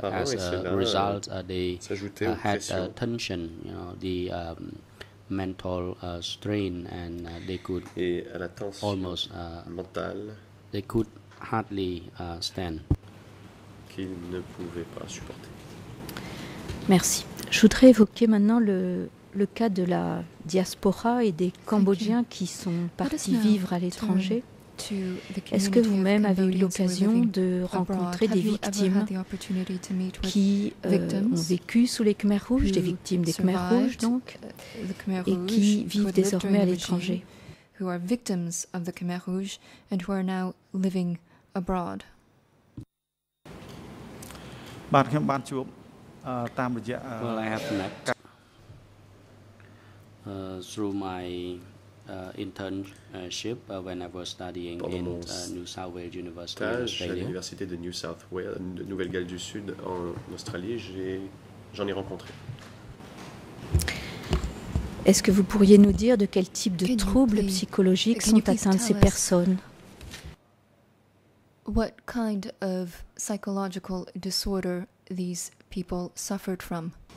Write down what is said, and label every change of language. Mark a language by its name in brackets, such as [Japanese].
[English] As a result, they had a tension, you know, the mental strain, and they could almost they could hardly stand. [French] Qu'ils ne pouvaient pas supporter. Merci. Je voudrais évoquer maintenant le cas de la diaspora et des Cambodgiens qui sont partis vivre à l'étranger. Est-ce que vous-même avez eu l'occasion de rencontrer des victimes qui ont vécu sous les Khmers Rouges, des victimes des Khmers Rouges donc, et qui vivent désormais à l'étranger? [English] Who are victims of the Khmer Rouge and who are now living abroad? Well, I have met through my internship when I was studying in New South Wales University in Australia. [French] À l'université de New South Wales, de Nouvelle-Galles du Sud en Australie, j'en ai rencontré. Est-ce que vous pourriez nous dire de quel type de troubles psychologiques sont atteintes ces personnes? [English] What kind of psychological disorder these people suffered from?